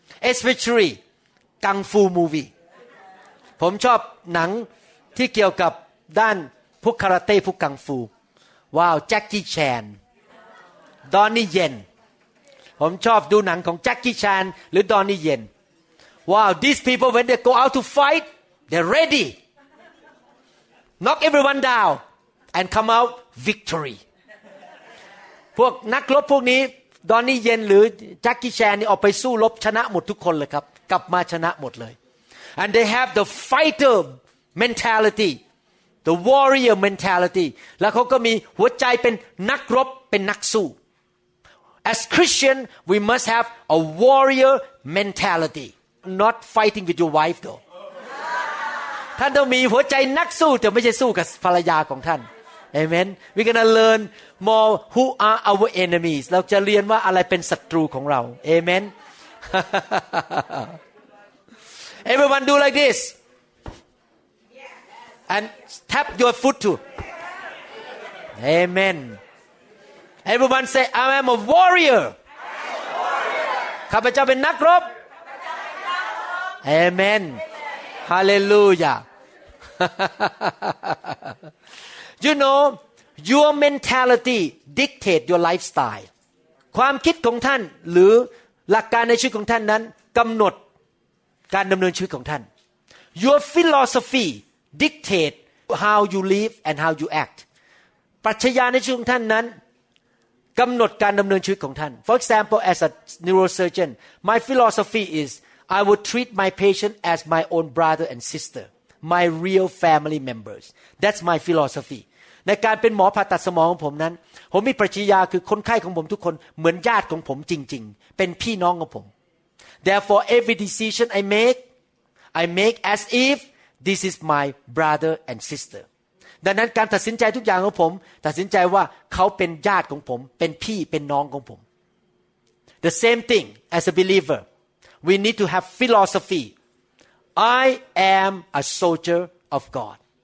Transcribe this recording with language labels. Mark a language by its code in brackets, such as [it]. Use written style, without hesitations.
[en] especially [th] กังฟูมูวี่ผมชอบหนังที่เกี่ยวกับด้านพวกคาราเต้พวกกังฟูว้าวแจ็คกี้แชนดอนนี่เยนผมชอบดูหนังของแจ็คกี้แชนหรือดอนนี่เยน [en] ว้าว these people when they go out to fight they're ready knock everyone downand come out victory [th] พวกนักรบพวกนี้ดอนนี่เย็นหรือแจ็คกี้แชนนี่ออกไปสู้รบชนะหมดทุกคนเลยครับกลับมาชนะหมดเลย [en] and they have the fighter mentality the warrior mentality [th] แล้วเขาก็มีหัวใจเป็นนักรบเป็นนักสู้ [en] as Christian we must have a warrior mentality not fighting with your wife though [th] ท่านต้องมีหัวใจนักสู้แต่ไม่ใช่สู้กับภรรยาของท่านเอเมน [en] We're gonna learn more who are our enemies [th] เราจะเรียนว่าอะไรเป็นศัตรูของเราเอเมน [en] Everyone do like this and tap your foot too Amen Everyone say I am a warrior [th] ข้าพเจ้าเป็นนักรบ เอเมน Hallelujah [en] You know your mentality dictate your lifestyle [th] ความคิดของท่านหรือหลักการในชีวิตของท่านนั้นกำหนดการดำเนินชีวิตของท่าน [en] Your philosophy dictate how you live and how you act [th] ปรัชญาในชีวิตของท่านนั้นกำหนดการดำเนินชีวิตของท่าน [en] For example as a neurosurgeon my philosophy is I would treat my patient as my own brother and sisterMy real family members. That's my philosophy. [th] In การเป็นหมอผ่าตัดสมองของผมนั้นผมมีปรัชญาคือคนไข้ของผมทุกคนเหมือนญาติของผมจริงๆเป็นพี่น้องของผม [en] Therefore, every decision I make as if this is my brother and sister. [th] ดังนั้นการตัดสินใจทุกอย่างของผมตัดสินใจว่าเขาเป็นญาติของผมเป็นพี่เป็นน้องของผม [en] The same thing as a believer. We need to have philosophyI am a soldier of God.